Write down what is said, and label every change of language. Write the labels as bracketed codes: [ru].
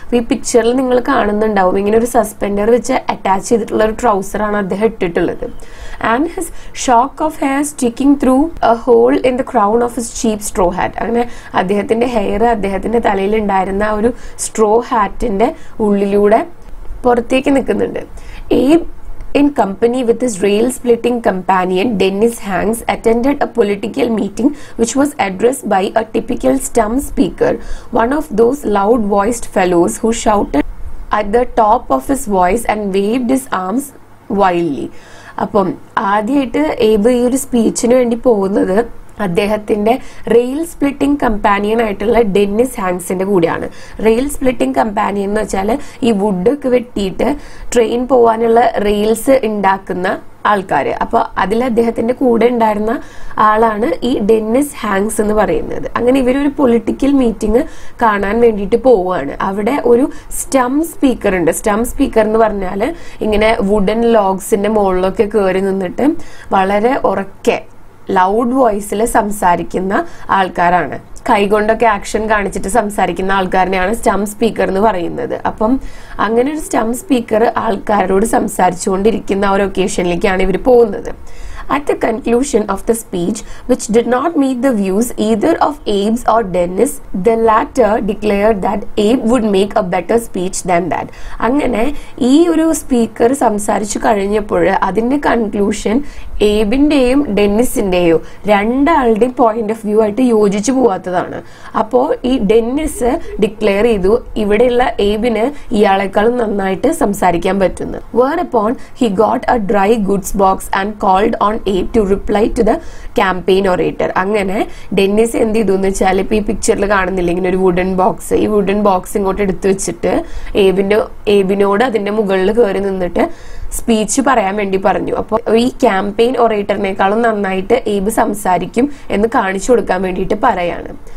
[ml] ഈ പിക്ചറിൽ നിങ്ങൾ കാണുന്നുണ്ടാവും, ഇങ്ങനെ ഒരു സസ്പെൻഡർ വെച്ച് അറ്റാച്ച് ചെയ്തിട്ടുള്ള ഒരു ട്രൗസറാണ് അദ്ദേഹം ഇട്ടിട്ടുള്ളത്. [en] And his shock of hair sticking through a hole in the crown of his cheap straw hat. [ml] അങ്ങനെ അദ്ദേഹത്തിന്റെ ഹെയർ അദ്ദേഹത്തിന്റെ തലയിൽ ഉണ്ടായിരുന്ന ആ ഒരു സ്ട്രോ ഹാറ്റിന്റെ ഉള്ളിലൂടെ പുറത്തേക്ക് നിൽക്കുന്നുണ്ട്. ഈ [en] in company with his rail splitting companion Dennis Hanks, attended a political meeting which was addressed by a typical stump speaker, one of those loud voiced fellows who shouted at the top of his voice and waved his arms wildly. [ml] അപ്പം ആദ്യമായിട്ട് ഏബ് ഈ ഒരു സ്പീച്ചിന് വേണ്ടി പോകുന്നത് അദ്ദേഹത്തിന്റെ rail splitting companion ആയിട്ടുള്ള Dennis ഹാങ്സിന്റെ കൂടെയാണ്. Rail splitting companion എന്ന് വെച്ചാല് ഈ വുഡൊക്കെ വെട്ടിയിട്ട് ട്രെയിൻ പോകാനുള്ള റെയിൽസ് ഉണ്ടാക്കുന്ന ആൾക്കാര്. അപ്പൊ അതിൽ അദ്ദേഹത്തിന്റെ കൂടെ ഉണ്ടായിരുന്ന ആളാണ് ഈ ഡെന്നിസ് ഹാങ്സ് എന്ന് പറയുന്നത്. അങ്ങനെ ഇവരൊരു പൊളിറ്റിക്കൽ മീറ്റിംഗ് കാണാൻ വേണ്ടിയിട്ട് പോവുകയാണ്. അവിടെ ഒരു സ്റ്റം സ്പീക്കർ ഉണ്ട്. സ്റ്റം സ്പീക്കർ എന്ന് പറഞ്ഞാല് ഇങ്ങനെ വുഡൻ ലോഗ്സിന്റെ മുകളിലൊക്കെ കയറി നിന്നിട്ട് വളരെ ഉറക്കെ ലൗഡ് വോയിസിൽ സംസാരിക്കുന്ന ആൾക്കാരാണ്. കൈകൊണ്ടൊക്കെ ആക്ഷൻ കാണിച്ചിട്ട് സംസാരിക്കുന്ന ആൾക്കാരനെയാണ് സ്റ്റം സ്പീക്കർ എന്ന് പറയുന്നത്. അപ്പം അങ്ങനെ ഒരു സ്റ്റം സ്പീക്കർ ആൾക്കാരോട് സംസാരിച്ചുകൊണ്ടിരിക്കുന്ന ആ ഒരു ഒക്കേഷനിലേക്കാണ് ഇവർ പോകുന്നത്. [en] At the conclusion of the speech, which did not meet the views either of Abe's or Dennis, the latter declared that Abe would make a better speech than that. [ml] അങ്ങനെ ഈ ഒരു speaker സംസാരിച്ചു കഴിഞ്ഞപ്പോൾ അതിന്റെ കൺക്ലൂഷൻ ഏബിന്റെയും ഡെന്നിസിന്റെയും രണ്ടാളുടെയും പോയിന്റ് ഓഫ് വ്യൂ ആയിട്ട് യോജിച്ചു പോവാത്തതാണ്. അപ്പോ ഈ ഡെന്നിസ് ഡിക്ലെയർ ചെയ്തു ഇവിടെയുള്ള ഏബിന് ഇയാളെക്കാളും നന്നായിട്ട് സംസാരിക്കാൻ പറ്റുന്നു. [en] Whereupon he got a dry goods box and called on Abe to reply to the campaign orator. [ml] അങ്ങനെ ഡെന്നിസ് എന്ത് ചെയ്തു എന്ന് വെച്ചാൽ ഇപ്പൊ ഈ പിക്ചറിൽ കാണുന്നില്ല ഇങ്ങനെ ഒരു വുഡൻ ബോക്സ്, ഈ വുഡൻ ബോക്സ് ഇങ്ങോട്ട് എടുത്തു വെച്ചിട്ട് ഏബിനോട് അതിന്റെ മുകളിൽ കയറി നിന്നിട്ട് സ്പീച്ച് പറയാൻ വേണ്ടി പറഞ്ഞു. അപ്പോൾ ഈ ക്യാമ്പയിൻ ഓറേറ്ററിനേക്കാളും നന്നായിട്ട് ഏബ് സംസാരിക്കും എന്ന് കാണിച്ചു കൊടുക്കാൻ വേണ്ടിയിട്ട് പറയാണ്.